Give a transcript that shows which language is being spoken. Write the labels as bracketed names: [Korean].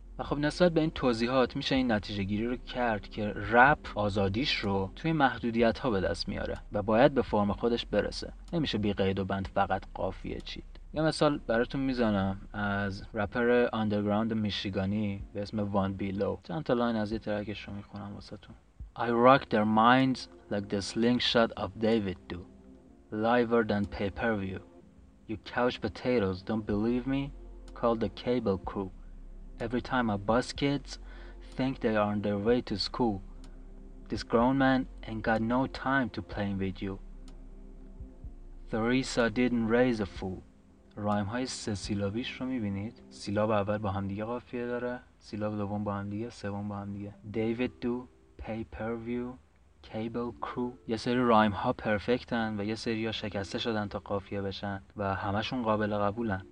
[Persian] و خب نسبت به این توضیحات میشه این نتیجه گیری رو کرد که رپ آزادیش رو توی محدودیت ها به دست میاره و باید به فرم خودش برسه، نمیشه بی قید و بند فقط قافیه چید. یه مثال براتون میزنم از رپر اندرگراند میشیگانی به اسم وان بیلو. چند تا لاین از یه ترکش رو میخونم واسه تون. [English] I rock their minds like the slingshot of David do, liver than pay-per-view. You couch potatoes, don't believe me? Call the cable crew. Every time I bus kids, think they are on their way to school. This grown man ain't got no time to play with you. Theresa didn't raise a fool. [Persian] رایم های سه سیلابیش رو میبینید؟ سیلاب اول با هم دیگه قافیه داره، سیلاب دوم با هم دیگه، سوم با هم دیگه. [English] David do, pay per view, cable crew. [Persian] یه سری رایم ها پرفکتن و یه سری ها شکسته شدن تا قافیه بشن و همشون قابل قبولن.